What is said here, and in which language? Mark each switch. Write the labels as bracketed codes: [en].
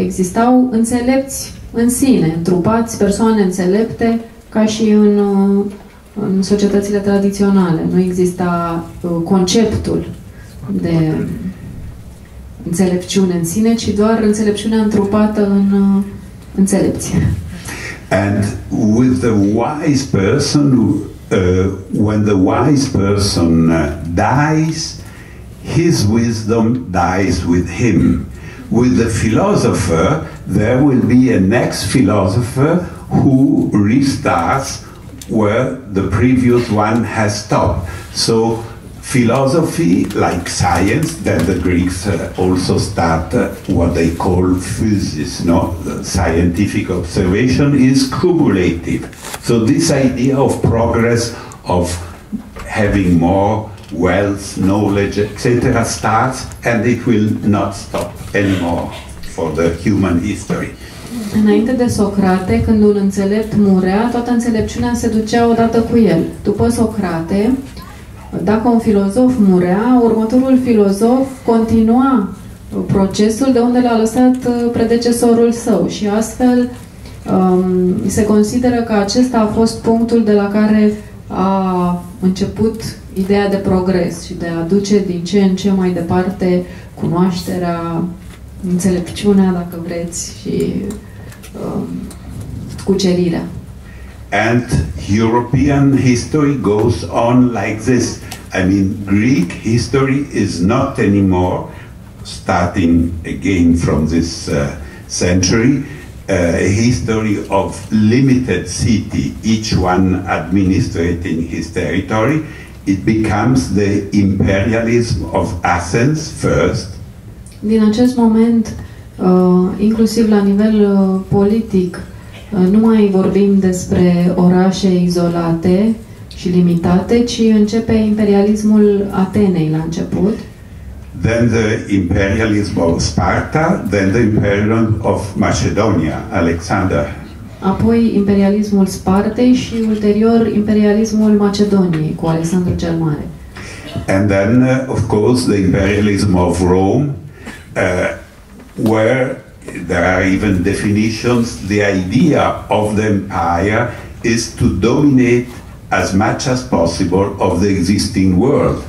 [ro] Existau înțelepți în sine, întrupați, persoane înțelepte, ca și în societățile tradiționale. Nu exista conceptul de înțelepciune în sine, ci doar înțelepciunea întrupată în înțelepți. [en] And with the wise person, when the wise person dies, his wisdom dies with him. With the philosopher, there will be a next philosopher who restarts where the previous one has stopped. So philosophy, like science, that the Greeks also start what they call physis, no? The scientific observation is cumulative. So this idea of progress, of having more wealth, knowledge, etc., starts, and it will not stop anymore for the human history. [ro] Înainte de Socrate, când un înțelept murea, toată înțelepciunea se ducea odată cu el. După Socrate, dacă un filozof murea, următorul filozof continua procesul de unde l-a lăsat predecesorul său și astfel se consideră că acesta a fost punctul de la care a început ideea de progres și de a duce din ce în ce mai departe cunoașterea, înțelepciunea, dacă vreți, și cucerirea. [en] And European history goes on like this. I mean, Greek history is not anymore starting again from this century. A history of limited city, each one administrating his territory. It becomes the imperialism of Athens first. [ro] Din acest moment, inclusiv la nivel politic, nu mai vorbim despre orașe izolate și limitate, ci începe imperialismul Atenei la început. [en] Then the imperialism of Sparta, then the imperialism of Macedonia, Alexander. [ro] Apoi imperialismul Spartei și ulterior imperialismul Macedoniei cu Alexandru cel Mare. [en] And then, of course, the imperialism of Rome, where there are even definitions, the idea of the empire is to dominate as much as possible of the existing world.